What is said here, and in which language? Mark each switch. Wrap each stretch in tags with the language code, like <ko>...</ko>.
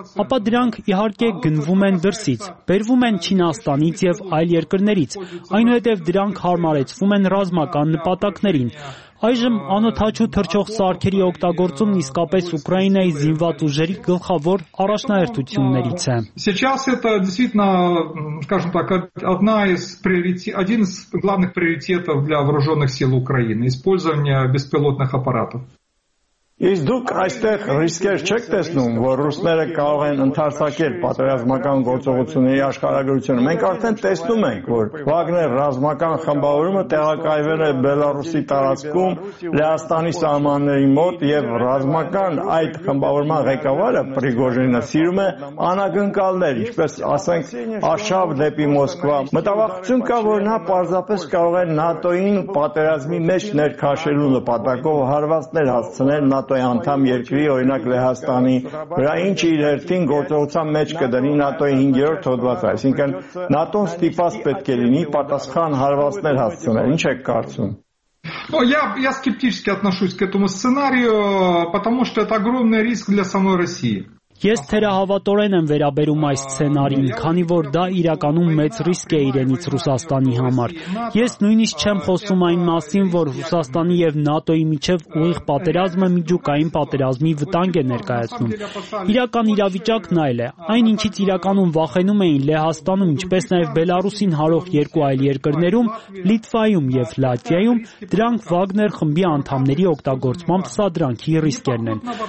<hy>ապա դրանք իհարկե գնվում են դրսից, բերվում են Չինաստանից և այլ երկրներից, այնուհետև դրանք հարմարեցվում են ռազմական նպատակներին։ Այժմ անօթաչու թռչող սարքերի օգտագործումն իսկապես Ուկրաինայի զինված ուժերի գլխավոր առաջնահերթություններից է։</hy> <ru>Сейчас это действительно, скажем так, одна из приоритетов, один из главных приоритетов для вооружённых сил Украины использование беспилотных аппаратов.</ru> <hy>Իսկ դուք այստեղ ռիսկեր չեք տեսնում, որ ռուսները կարող են ընդարձակել պատերազմական գործողությունների աշխարհագրությունը։ Մենք արդեն տեսնում ենք, որ Վագներ ռազմական խմբավորումը տեղակայվել է Բելարուսի տարածքում, Լեհաստանի սահմանների մոտ, և ռազմական այդ խմբավորման ղեկավարը Պրիգոժինը սիրում է անակնկալներ, ինչպես ասենք, արշավ դեպի Մոսկվա։ Մտավախություն կա, որ նա պարզապես կարող է ՆԱՏՕ-ին պատերազմի մեջ ներքաշելու նպատակով հարվածներ հասցնել ՆԱՏՕ-ի անդամ երկրի, օրինակ Լեհաստանի վրա, ինչ իր հերթին գործողության մեջ կդնի ՆԱՏՕ-ի 5-րդ հոդվածը, այսինքն ՆԱՏՕ-ն ստիպված պետք է լինի պատասխան հարվածներ հասցնել։ Ինչ եք կարծում։</hy> <ru>Ну, я скептически отношусь к этому сценарию, потому что это огромный риск для самой России.</ru> <hy>Ես թերահավատորեն եմ վերաբերում այս սցենարին, քանի որ դա իրականում մեծ ռիսկ է իրենից Ռուսաստանի համար։ Ես նույնիսկ չեմ խոսում այն մասին, որ Ռուսաստանի և ՆԱՏՕ-ի միջև ուղիղ պատերազմը միջուկային պատերազմի վտանգ է ներկայացնում։ Իրական իրավիճակն այլ է։ Այն, ինչից իրականում վախենում էին Լեհաստանում, ինչպես նաև Բելարուսին հարող երկու այլ երկրներում, Լիտվայում և Լատվիայում, դրանք Վագներ խմբի անդամների օգտագործմամբ սադրանքի ռիսկերն են։</hy>